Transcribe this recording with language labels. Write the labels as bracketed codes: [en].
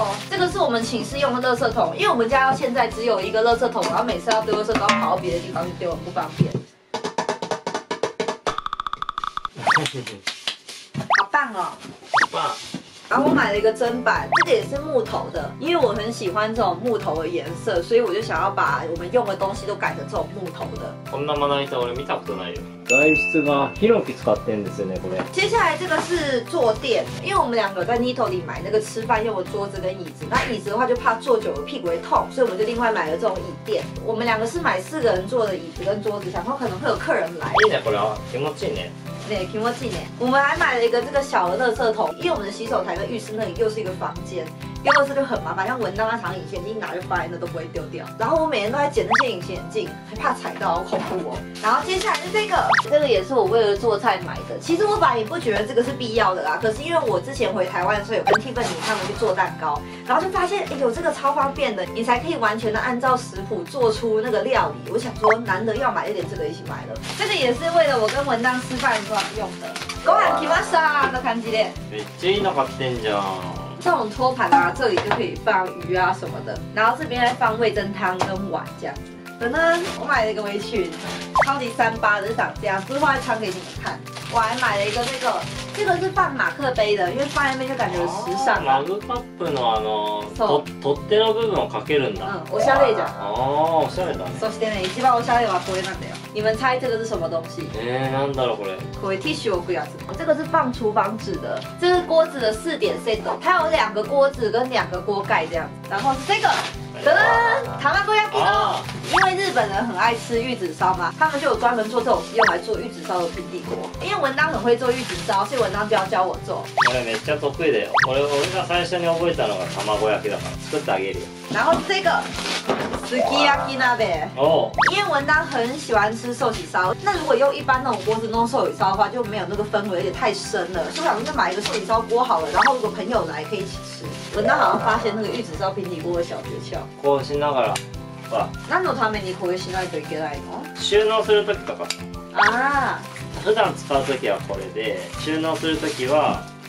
[zh] 这个是我们寝室用的垃圾桶，因为我们家现在只有一个垃圾桶，然后每次要丢垃圾都要跑到别的地方去丢，很不方便。好棒哦！好棒。然后我买了一个砧板，这个也是木头的，因为我很喜欢这种木头的颜色，所以我就想要把我们用的东西都改成这种木头的。 [ja] こんなまな板俺見たことないよ。材質がヒノキ使ってんですよねこれ。 [zh] 接下来这个是坐垫，因为我们两个在妮蔻里买那个吃饭用的桌子跟椅子，那椅子的话就怕坐久了屁股会痛，所以我们就另外买了这种椅垫。我们两个是买四个人坐的椅子跟桌子，想说可能会有客人来。 [ja] いいねこれは気持ちいいね。对，気持ちいいね。 [zh] 我们还买了一个这个小的垃圾桶，因为我们的洗手台跟浴室那里又是一个房间，丢垃圾就很麻烦，像蚊帐那长隐形眼镜拿就放在那都不会丢掉。然后我每天都在捡那些隐形眼镜，还怕踩到，好恐怖哦。然后接下来是这个，这个也是我为了做菜买的。其实我本来也不觉得这个是必要的啦，可是因为我之前回台湾的时候有跟 Tiffany 他们去做蛋糕，然后就发现哎呦这个超方便的，你才可以完全的按照食谱做出那个料理。我想说难得要买一点这个，一起买了。这个也是为了我跟蚊帐吃饭时候用的。 [ja] ご飯来ましたの感じで。めっちゃいいの買ってんじゃん。 [zh] 这种托盘啊，这里就可以放鱼啊什么的，然后这边再放味噌汤跟碗这样子。可能我买了一个围裙，超级三八的，长这样，之后再穿给你们看。我还买了一个这个是放马克杯的，因为放在那边就感觉很时尚。 [ja] マグカップのあの取っ手の部分をかけるんだ。嗯，おしゃれじゃん。哦，おしゃれだね。そしてね、一番おしゃれはこれなんだよ。 [zh] 你们猜这个是什么东西？ [ja] なんだろうこれ。これティッシュ置くやつ。 [zh] 这个是放厨房纸的，这是锅子的四点 set， 它有两个锅子跟两个锅盖这样子。然后是这个，噔噔，たまご焼きの。因为日本人很爱吃玉子烧嘛，他们就有专门做这种用来做玉子烧的平底锅。因为文章很会做玉子烧，所以文章就要教我做。 [ja] これめっちゃ得意だよ。これ俺が最初に覚えたのがたまご焼きだから作ってあげるよ。 [zh] 然后是这个。すき焼き鍋。哦。因为文章很喜欢吃寿喜烧，那如果用一般那种锅子弄寿喜烧的话，就没有那个氛围，有点太深了。就想说买一个寿喜烧锅好了，然后如果朋友来可以一起吃。文章好像发现那个玉子烧平底锅的小诀窍。 [ja] こうしながら。哇。何のためにこうしないといけないの？収納するときとか。啊。普段使うときはこれで、収納するときは。